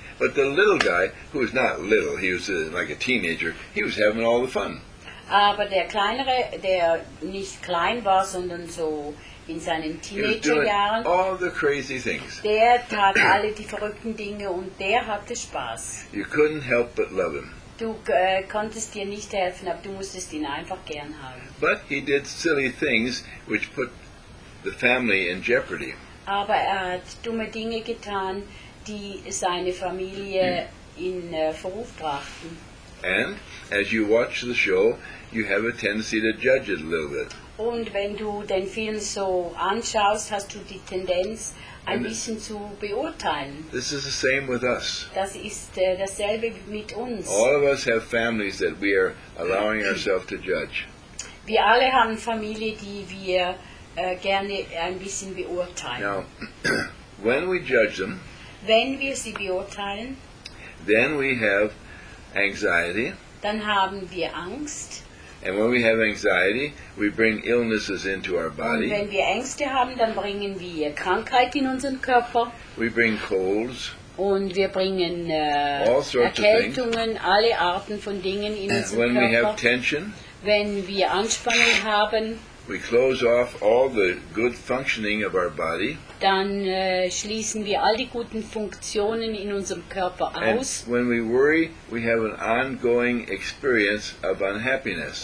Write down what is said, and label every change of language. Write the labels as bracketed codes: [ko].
[en] But the little guy, who was not little, he was like a teenager, he was having all the fun. [de] Aber der kleinere, der nicht klein war, sondern so in seinen Teenagerjahren, [en] all the crazy things. [de] Der tat alle die verrückten Dinge und der hatte Spaß. [en] You couldn't help but love him. [de] Du konntest dir nicht helfen, aber du musstest ihn einfach gern haben. [en] But he did silly things which put the family in jeopardy. [de] Aber er hat dumme Dinge getan, die seine Familie in Verruf brachten. [en] And as you watch the show, you have a tendency to judge it a little bit. [de] Und wenn du den Film so anschaust, hast du die Tendenz, ein bisschen zu beurteilen. [en] This is the same with us. [de] Das ist dasselbe mit uns. [en] All of us have families that we are allowing ourselves to judge. [de] Wir alle haben Familie, die wir gerne ein bisschen beurteilen. [en] Now, when we judge them, [de] wenn wir sie beurteilen, [en] then we have anxiety. [de] Dann haben wir Angst. [en] And when we have anxiety, we bring illnesses into our body. [de] Und wenn wir Ängste haben, dann bringen wir Krankheit in unseren Körper. [en] We bring colds. [de] Und wir bringen Erkältungen, alle Arten von Dingen in unseren [en] when [de] Körper. [en] We have tension, [de] wenn wir Anspannung haben, [en] we close off all the good functioning of our body. [de] Dann schließen wir all die guten Funktionen in unserem Körper aus. [en] And when we worry, we have an ongoing experience of unhappiness.